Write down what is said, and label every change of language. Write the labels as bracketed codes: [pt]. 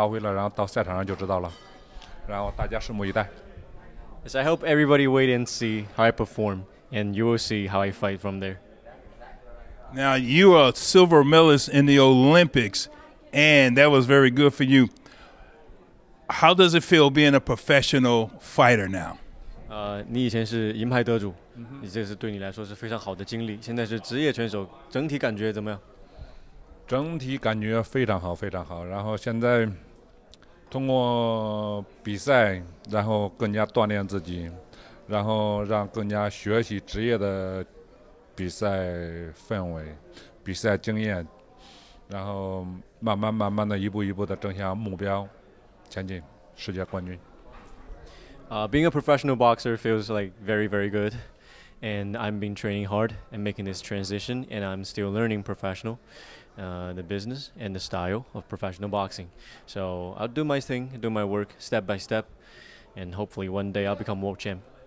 [zh] 比赛战术，然后就是临场去发挥了，然后到赛场上就知道了，然后大家拭目以待。 [en] Yes, I hope everybody wait and see how I perform, and you will see how I fight from there. Now, you are a silver medalist in the Olympics, and that was very good for you. How does it feel being a professional fighter now? [zh] 你以前是银牌得主, mm-hmm. 这是对你来说是非常好的经历。现在是职业选手，整体感觉怎么样? 整体感觉非常好，非常好。然后现在 通过比赛，然后更加锻炼自己，然后让更加学习职业的比赛氛围、比赛经验，然后慢慢的一步一步的正向目标，前进世界冠军。 [en] Being a professional boxer feels like very, very good, and I've been training hard and making this transition, and I'm still learning professional. The business and the style of professional boxing. So I'll do my thing, do my work step by step, and hopefully one day I'll become world champ.